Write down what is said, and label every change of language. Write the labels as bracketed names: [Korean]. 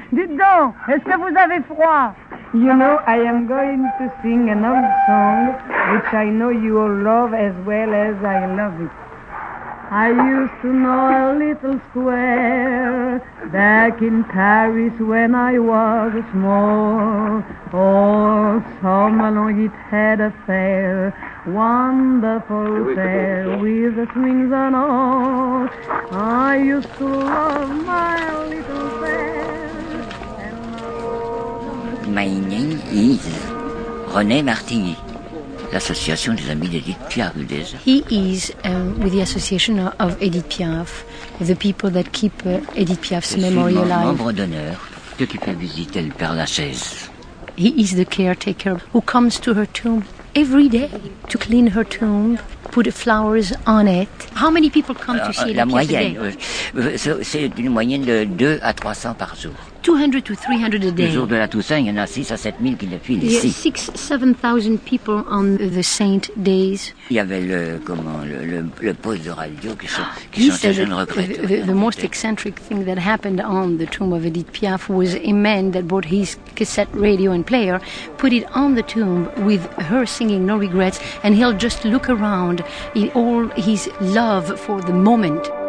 [French] Dites donc, est-ce que vous avez froid? [English] You know, I am going to sing an old song which I know you all love as well as I love it. I used to know a little square back in Paris when I was small. Oh, summer long it had a fair, wonderful fair with the swings and all. I used to love my little fair. My name is René Martigny, [French] l'association des amis d'Edith Piaf. [English] He is with the association of Edith Piaf, the people that keep Edith Piaf's memory alive. [French] Je suis membre d'honneur de qui fait visiter le Père Lachaise. [English] He is the caretaker who comes to her tomb every day to clean her tomb, put flowers on it. How many people come to see [French] La moyenne, c'est une moyenne de 200 à 300 par jour. [English] 200 to 300 a day. [French] Le jour de la Toussaint, il y en a 6 à 7000 qui défilent ici. [English] 6-7000 people on the saint days. [French] Il y avait le poste de radio qui chantait une recrute. [English] The most eccentric thing that happened on the tomb of Edith Piaf was a man that brought his cassette radio and player, put it on the tomb with her singing No Regrets, and he'll just look around in all his love for the moment.